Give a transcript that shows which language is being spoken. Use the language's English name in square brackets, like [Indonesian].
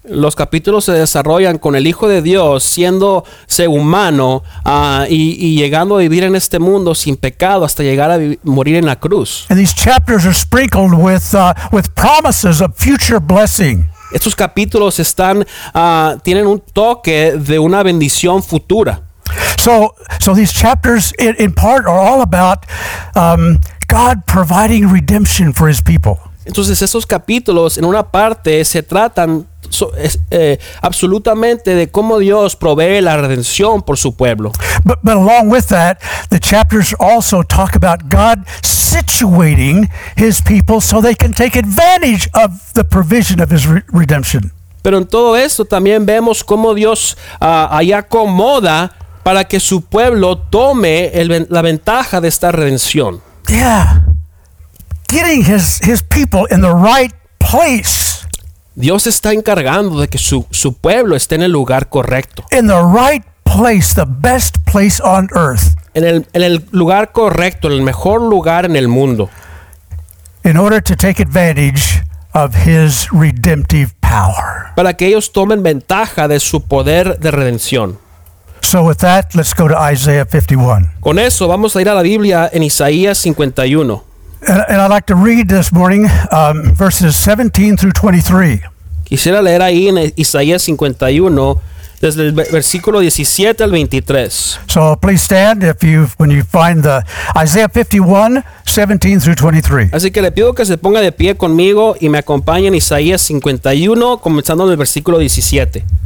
[Spanish] Los capítulos se desarrollan con el Hijo de Dios siendo ser humano y llegando a vivir en este mundo sin pecado hasta llegar a morir en la cruz. [English] And these chapters are sprinkled with promises of future blessing. [Spanish] Estos capítulos están tienen un toque de una bendición futura. [English] So these chapters in part are all about God providing redemption for His people. [Spanish] Entonces esos capítulos en una parte se tratan absolutamente de cómo Dios provee la redención por su pueblo. [English] But along with that, the chapters also talk about God situating His people so they can take advantage of the provision of His redemption. [Spanish] Pero en todo esto también vemos cómo Dios ahí acomoda para que su pueblo tome la ventaja de esta redención. [English] Yeah. Getting his people in the right place. [Spanish] Dios está encargando de que su pueblo esté en el lugar correcto. [English] In the right place, the best place on earth. [Spanish] En el lugar correcto, el mejor lugar en el mundo. [English] In order to take advantage of His redemptive power. [Spanish] Para que ellos tomen ventaja de su poder de redención. [English] So with that, let's go to Isaiah 51. [Spanish] Con eso vamos a ir a la Biblia en Isaías 51. [English] And I'd like to read this morning verses 17 through 23. [Spanish] Quisiera leer ahí en Isaías 51 desde el versículo 17 al 23. [English] So please stand when you find the Isaiah 51 17 through 23. [Spanish] Así que le pido que se ponga de pie conmigo y me acompañe en Isaías 51 comenzando en el versículo 17.